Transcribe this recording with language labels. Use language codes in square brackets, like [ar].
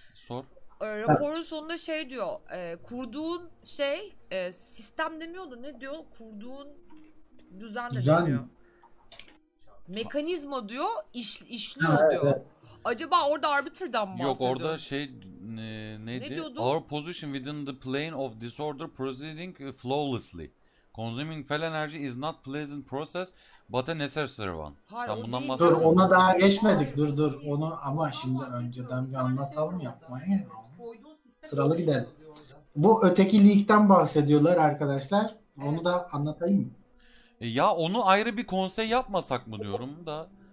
[tr] Sor. Raporun sonunda şey diyor. Kurduğun şey sistem demiyor da ne diyor? Kurduğun düzen demiyor. Mekanizma diyor. İşliyor diyor. Acaba orada Arbiter'dan mı bahsediyor? Yok orada şey neydi? [en] Ne our position within the plane of disorder proceeding flawlessly. Consuming fell energy is not pleasant process but a necessary one. [tr] Tam bundan bahsediyorum. Dur ona daha geçmedik. Dur. Onu ama şimdi önceden bir anlatalım yapmayın. Sıralı gidelim. Bu öteki leak'ten bahsediyorlar arkadaşlar. Onu da anlatayım mı? Ya onu ayrı bir konsey yapmasak mı diyorum da.